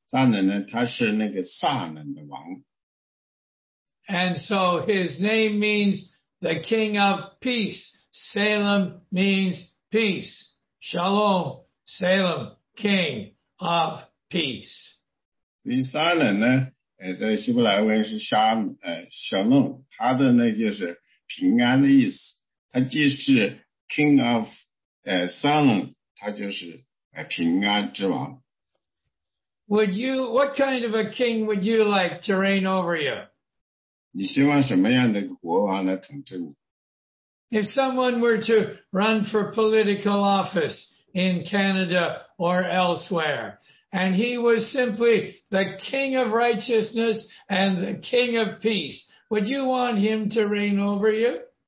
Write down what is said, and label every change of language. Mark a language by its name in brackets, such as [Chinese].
[Chinese] 所以呢，他住在一个地方，名字叫撒冷。撒冷呢，他是那个撒冷的王。 [English] And so his name means the king of peace. Salem means peace. Shalom, Salem, king of peace. [Chinese] 所以撒冷呢，在希伯来文是沙，Shalom， 它的呢就是平安的意思。它既是 [English] king of Salem， [Chinese] 它就是平安之王。 [English] Would you, what kind of a king would you like to reign over you? [Chinese] 你希望什么样的国王来统治你? [English] If someone were to run for political office in Canada or elsewhere, and he was simply the king of righteousness and the king of peace, would you want him to reign over you?